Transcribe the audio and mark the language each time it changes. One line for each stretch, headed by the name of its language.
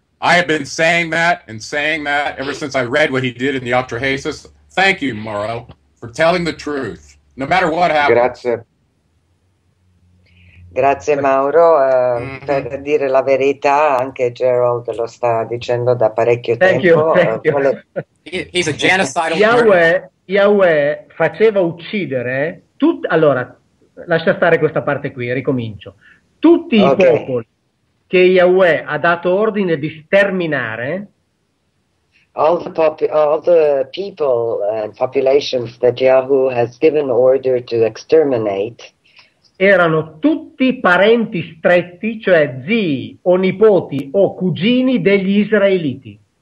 English: I have been saying that ever since I read what he did in the Octrohasis. Thank you, Mauro, for telling the truth, no matter what happens.
Italian: Grazie Mauro, per dire la verità, anche Gerald lo sta dicendo da parecchio tempo.
English: He's a genocidal
Italian: Yahweh faceva uccidere tutti. Allora, lascia stare questa parte qui, ricomincio. Tutti i popoli che Yahweh ha dato ordine di sterminare.
English: All the people and populations that Yahweh has given order to exterminate.
Italian: Erano tutti parenti stretti, cioè zii o nipoti o cugini degli israeliti.